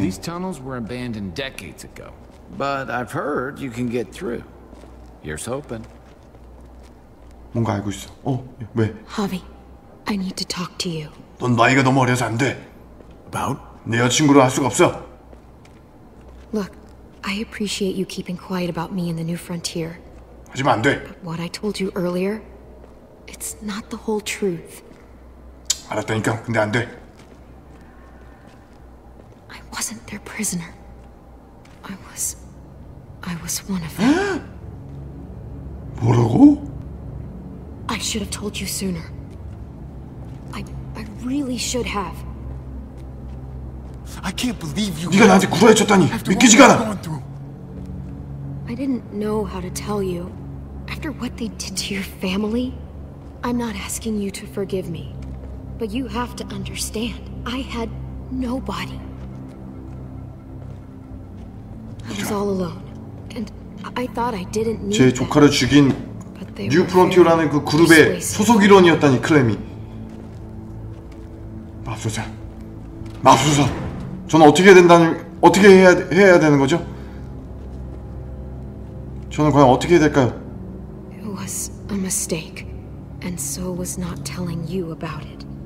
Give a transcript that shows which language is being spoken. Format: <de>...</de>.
<en>These tunnels were abandoned decades ago. But I've heard you can get through. Here's hoping.</en> <ko>뭔가 알고 있어. 어? 왜?</ko> <en>Javi, I need to talk to you.</en> <ko>넌 나이가 너무 어려서 안 돼.</ko> <en>About?</en> <ko>내 여자친구로 할 수가 없어.</ko> <en>Look, I appreciate you keeping quiet about me in the new frontier.</en> <ko>하지만 안 돼.</ko> <en>But what I told you earlier, it's not the whole truth.</en> <ko>알았다니까. 근데 안 돼.</ko> <en>I wasn't their prisoner. I was one of them.</en> <ko>뭐라고?</ko> <en>I should have told you sooner. I really should have. I can't believe you.</en> <ko>네가 나한테 구라해쳤다니 믿기지가 않아.</ko> <en>I didn't know how to tell you. After what they did to your family, I'm not asking you to forgive me. But you have to understand. I had nobody. I was all alone, and I thought I didn't need.</en> <ko>제 조카를 죽인 뉴 프론티어라는 그 그룹의 소속 일원이었다니 클레미. 마법사, 마법사, 저는 어떻게 해야 된다는 어떻게 해야 되는 거죠? 저는 과연 어떻게 해야 될까요?</ko> <en>It was a mistake, and so was not telling you about it.</en>